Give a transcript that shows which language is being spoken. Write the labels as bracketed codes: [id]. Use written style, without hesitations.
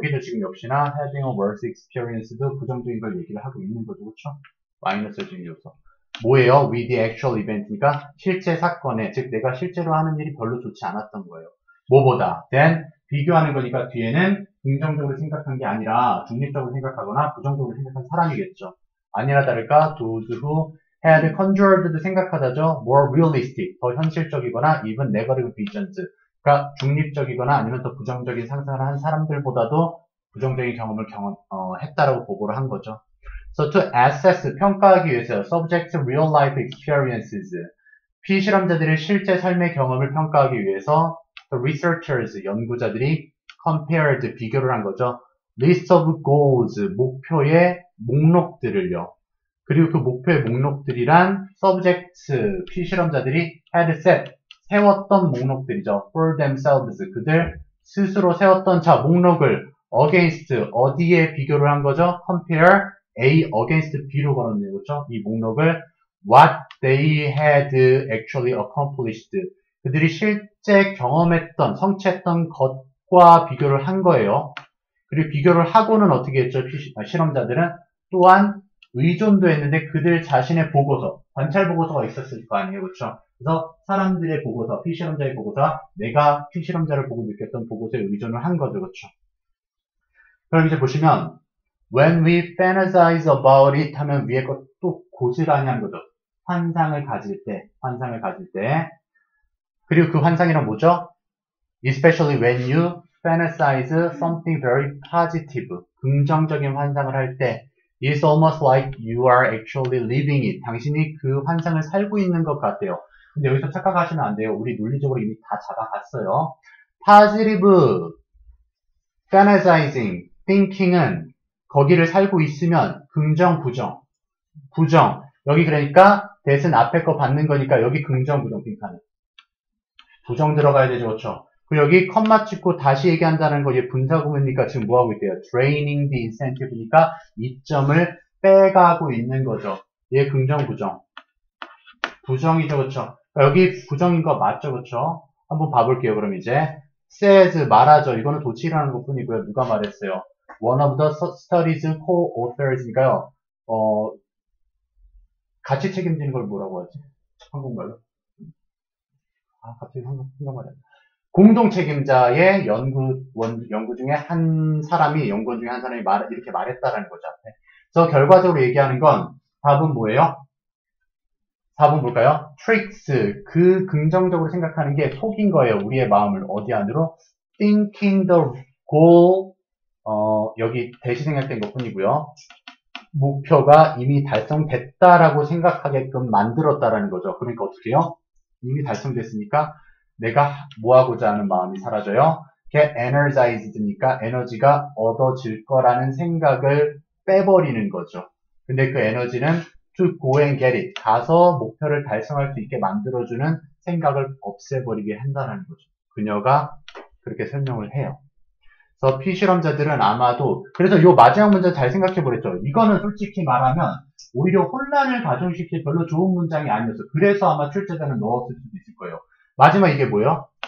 [ko] 여기도 지금 역시나 [en] having a worse experience [ko] 도 부정적인 걸 얘기를 하고 있는 거죠. 그렇죠? 마이너스 중에 요소. 뭐예요? [en] With the actual event [ko] 니까 실제 사건에, 즉 내가 실제로 하는 일이 별로 좋지 않았던 거예요. 뭐보다? Then 비교하는 거니까 뒤에는 긍정적으로 생각한 게 아니라 중립적으로 생각하거나 부정적으로 생각한 사람이겠죠. 아니라 다를까? [en] Those who had conjured도 [ko] 생각하다죠. [en] More realistic, [ko] 더 현실적이거나 [en] even negative visions. 그러니까 중립적이거나 아니면 더 부정적인 상상을 한 사람들보다도 부정적인 경험을 했다라고 보고를 한 거죠. So to assess, [ko] 평가하기 위해서요. [en] Subject to real life experiences. [ko] 피 실험자들의 실제 삶의 경험을 평가하기 위해서 [en] The researchers, [ko] 연구자들이 [en] compared, [ko] 비교를 한 거죠. [en] List of goals, [ko] 목표의 목록들을요. 그리고 그 목표의 목록들이란 subjects, 피 실험자들이 [en] had set, [ko] 세웠던 목록들이죠. [en] For themselves, [ko] 그들 스스로 세웠던 자 목록을 against, 어디에 비교를 한 거죠? [en] Compare A against B로 걸었네요. [ko] 그렇죠? 이 목록을 [en] what they had actually accomplished, [ko] 그들이 실제 경험했던, 성취했던 것과 비교를 한 거예요. 그리고 비교를 하고는 어떻게 했죠? 실험자들은 또한 의존도 했는데 그들 자신의 보고서, 관찰 보고서가 있었을 거 아니에요. 그렇죠? 그래서 사람들의 보고서, 피실험자의 보고서, 내가 피실험자를 보고 느꼈던 보고서에 의존을 한 거죠. 그렇죠? 그럼 이제 보시면 [en] When we fantasize about it [ko] 하면 위에 것또 고스란히 한 거죠. 환상을 가질 때, 환상을 가질 때. 그리고 그 환상이란 뭐죠? [en] Especially when you fantasize something very positive. [ko] 긍정적인 환상을 할 때, [en] it's almost like you are actually living it. [ko] 당신이 그 환상을 살고 있는 것 같아요. 근데 여기서 착각하시면 안 돼요. 우리 논리적으로 이미 다 잡아갔어요. [en] Positive fantasizing. [ko] thinking은 거기를 살고 있으면 긍정, 부정. 부정. 여기 그러니까 that은 앞에 거 받는 거니까 여기 긍정, 부정, think하는. 부정 들어가야 되죠. 그렇죠? 그리고 여기 컴마 찍고 다시 얘기한다는 거, 얘 분사구문이니까 지금 뭐하고 있대요? [en] draining the incentive [ko] 니까 이점을 빼가고 있는 거죠. 얘 긍정, 부정. 부정이죠, 그렇죠? 여기 부정인 거 맞죠, 그렇죠? 한번 봐볼게요, 그럼 이제. says, 말하죠. 이거는 도치라는 것 뿐이고요. 누가 말했어요? [en] one of the study's co-authors니까요. [ko] 같이 책임지는 걸 뭐라고 하지? 한국말로? 아, 갑자기 한국말이 안 나. 공동 책임자의 연구 중에 한 사람이, 연구원 중에 한 사람이 이렇게 말했다라는 거죠. 앞에. 그래서 결과적으로 얘기하는 건 답은 뭐예요? 4번 볼까요? tricks. 그 긍정적으로 생각하는 게 속인 거예요. 우리의 마음을. 어디 안으로? [en] thinking the goal. [ko] 여기 대시 생략된 것 뿐이고요. 목표가 이미 달성됐다라고 생각하게끔 만들었다라는 거죠. 그러니까 어떻게 해요? 이미 달성됐으니까 내가 뭐 하고자 하는 마음이 사라져요. 그게 energized니까 에너지가 얻어질 거라는 생각을 빼버리는 거죠. 근데 그 에너지는 [en] to go and get it. [ko] 가서 목표를 달성할 수 있게 만들어주는 생각을 없애버리게 한다는 거죠. 그녀가 그렇게 설명을 해요. 그래서 P 실험자들은 아마도, 그래서 요 마지막 문제 잘 생각해보랬죠. 이거는 솔직히 말하면 오히려 혼란을 가중시킬 별로 좋은 문장이 아니어서 그래서 아마 출제자는 넣었을 수도 있을 거예요. 마지막 이게 뭐예요?